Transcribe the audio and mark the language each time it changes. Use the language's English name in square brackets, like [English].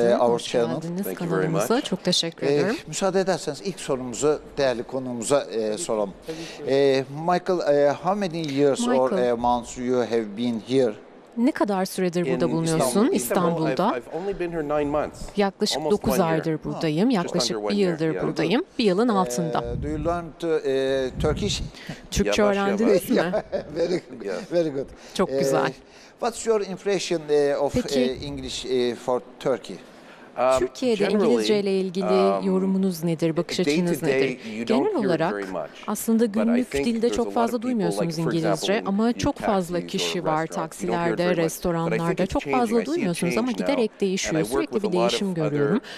[Turkish] Günaydın, hoş geldiniz kanalımıza. Çok teşekkür ederim. Müsaade ederseniz ilk sorumuzu değerli konuğumuza soralım. [English] Michael, how many years or months you have been here? [Turkish] Ne kadar süredir burada bulunuyorsun İstanbul'da? Yaklaşık 9 aydır buradayım, yaklaşık 1 yıldır buradayım, 1 yılın altında. [English] Do you learn to, Turkish? [Turkish] Türkçe yavaş, öğrendiniz yavaş. Mi? [English] Very good, very good. [Turkish] Çok güzel. [English] What's your impression of English for Turkey? [Turkish] Türkiye'de İngilizce ile ilgili yorumunuz nedir, bakış açınız nedir? Genel olarak aslında günlük dilde çok fazla duymuyorsunuz İngilizce ama çok fazla kişi var taksilerde, restoranlarda. Çok fazla duymuyorsunuz ama giderek değişiyor. Sürekli bir değişim görüyorum.